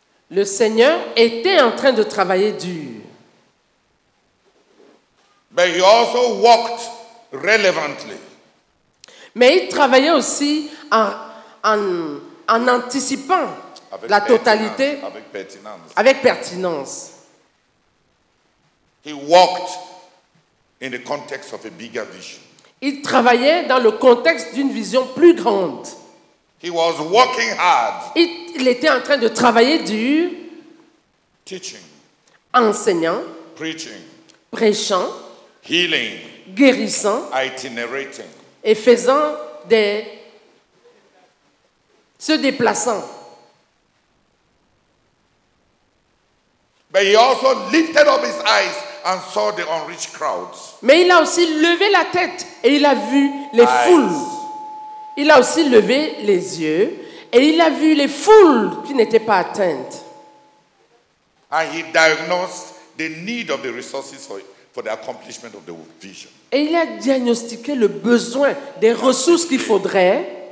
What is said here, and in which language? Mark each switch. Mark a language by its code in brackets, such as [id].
[fr] Le Seigneur était en train de travailler dur. [en] But he also worked relevantly. [fr] Mais il travaillait aussi en anticipant avec la totalité, avec pertinence. [en] He worked in the context of a bigger vision. [fr] Il travaillait dans le contexte d'une vision plus grande. [en] He was working hard. [fr] Il était en train de travailler dur. [en] Teaching. [fr] Enseignant. [en] Preaching. [fr] Prêchant. [en] Healing. [fr] Guérissant. [en] Itinerating. [fr] Et faisant des... se déplaçant. [en] But he also lifted up his eyes and saw the unreached crowds. [fr] Mais il a aussi levé la tête et il a vu les foules. Il a aussi levé les yeux et il a vu les foules qui n'étaient pas atteintes. [en] And he diagnosed the need of the resources for the accomplishment of the vision. [fr] Et il a diagnostiqué le besoin des ressources qu'il faudrait.